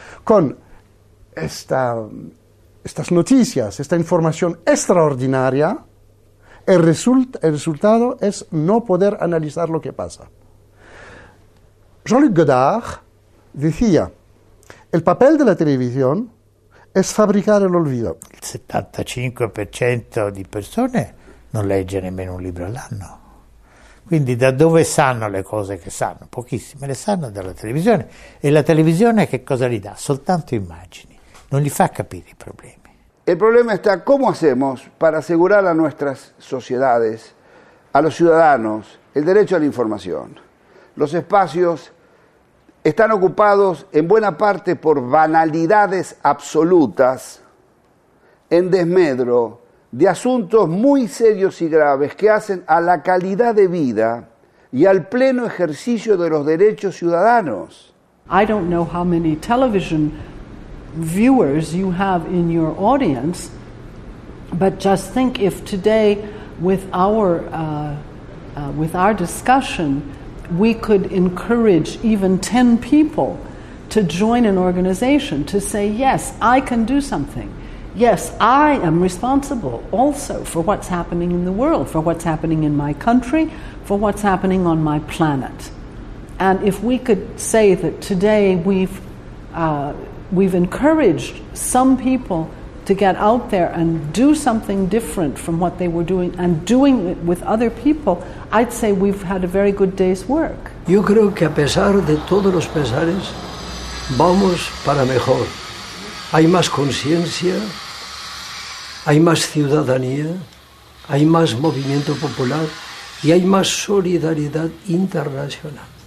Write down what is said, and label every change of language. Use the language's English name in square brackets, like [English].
[Spanish] Con estas noticias, esta información extraordinaria, El resultado es no poder analizar lo que pasa. Jean-Luc Godard decía, el papel de la televisión es fabricar el olvido. El 75% de personas no lee [Italian] nemmeno un libro all'anno. Quindi da dove sanno le cose che sanno? Pochissime le sanno dalla televisione. E la televisione che cosa gli dà? Soltanto immagini. Non gli fa capire i problemi. Il problema sta come facciamo per assicurare a nostre società, [Spanish] a los ciudadanos, [Italian] il diritto all'informazione. [Spanish] Los espacios están ocupados en buena parte por banalidades absolutas en desmedro de asuntos muy serios y graves que hacen a la calidad de vida y al pleno ejercicio de los derechos ciudadanos. [English] I don't know how many television viewers you have in your audience, but just think if today with our discussion we could encourage even 10 people to join an organization to say, yes, I can do something. Yes, I am responsible also for what's happening in the world, for what's happening in my country, for what's happening on my planet. And if we could say that today we've encouraged some people to get out there and do something different from what they were doing and doing it with other people, I'd say we've had a very good day's work. [Spanish] Yo creo que a pesar de todos los pesares, vamos para mejor. Hay más conciencia, hay más ciudadanía, hay más movimiento popular y hay más solidaridad internacional.